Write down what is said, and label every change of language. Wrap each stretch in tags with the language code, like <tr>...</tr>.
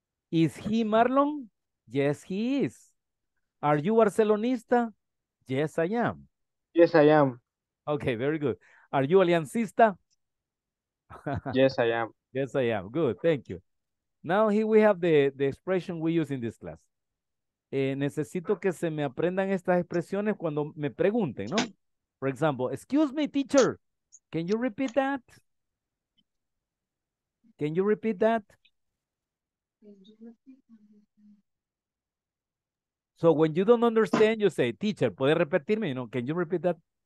<en>Is he Marlon? Yes, he is. Are you Barcelonista? Yes, I am. Yes, I am. Okay, very good. Are you Aliancista? Yes, I am. Yes, I am. Good, thank you. Now, here we have the expression we use in this class.</en> <es>Necesito que se me aprendan estas expresiones cuando me pregunten, ¿no?</es> <en>For example, excuse me, teacher, can you repeat that? Can you repeat that? So, when you don't understand, you say, teacher,</en> <es>¿puede repetirme?</es> <en>You know, can you repeat that?</en>